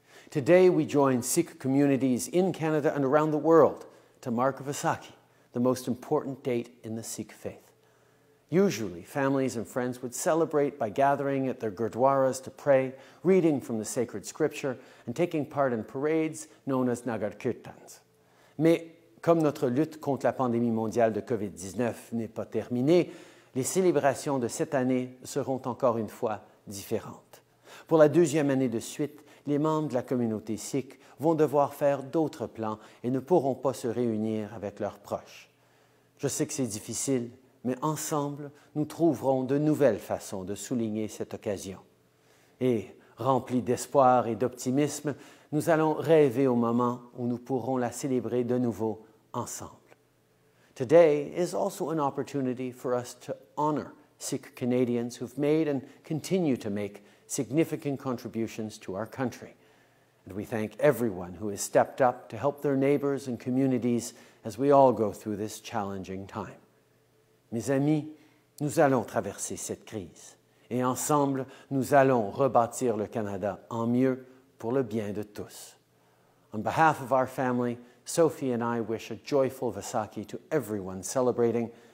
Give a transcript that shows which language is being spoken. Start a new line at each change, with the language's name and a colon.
English: Today we join Sikh communities in Canada and around the world to mark Vaisakhi, the most important date in the Sikh faith. Usually, families and friends would celebrate by gathering at their gurdwaras to pray, reading from the sacred scripture, and taking part in parades known as Nagar Kirtans.
French: Mais comme notre lutte contre la pandémie mondiale de COVID-19 n'est pas terminée, les célébrations de cette année seront encore une fois différentes. Pour la deuxième année de suite, les membres de la communauté Sikh vont devoir faire d'autres plans et ne pourront pas se réunir avec leurs proches. Je sais que c'est difficile, mais ensemble, nous trouverons de nouvelles façons de souligner cette occasion. Et, remplis d'espoir et d'optimisme, nous allons rêver au moment où nous pourrons la célébrer de nouveau ensemble.
English: Today is also an opportunity for us to honor Sikh Canadians who've made and continue to make significant contributions to our country. And we thank everyone who has stepped up to help their neighbors and communities as we all go through this challenging time.
French: Mes amis, nous allons traverser cette crise et ensemble, nous allons rebâtir le Canada en mieux pour le bien de tous.
English: On behalf of our family, Sophie and I wish a joyful Vaisakhi to everyone celebrating.